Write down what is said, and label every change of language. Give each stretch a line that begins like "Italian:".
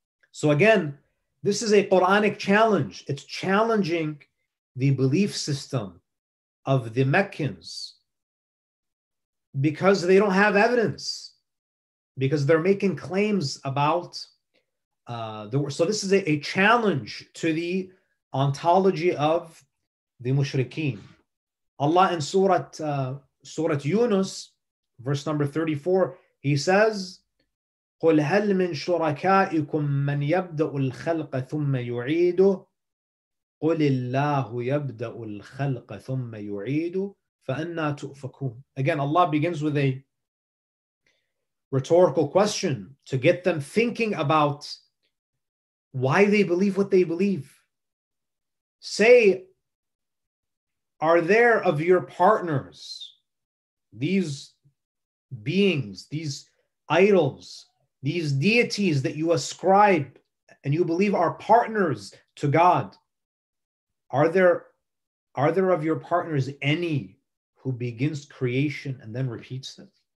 English: So again, this is a Quranic challenge. It's challenging the belief system of the Meccans because they don't have evidence, because they're making claims about so this is a challenge to the ontology of the mushrikeen. Allah in Surah Yunus, verse number 34, he says,
Arabic: قُلْ هَلْ مِنْ شُرَكَائِكُمْ مَنْ يَبْدَأُ الْخَلْقَ ثُمَّ يُعِيدُهُ قُلِ اللَّهُ يَبْدَأُ الْخَلْقَ ثُمَّ يُعِيدُهُ فَأَنَّا تُؤْفَكُونَ.
English: Again, Allah begins with a rhetorical question to get them thinking about why they believe what they believe. Say, are there of your partners, these beings, these idols, these deities that you ascribe and you believe are partners to God, are there of your partners any who begins creation and then repeats it?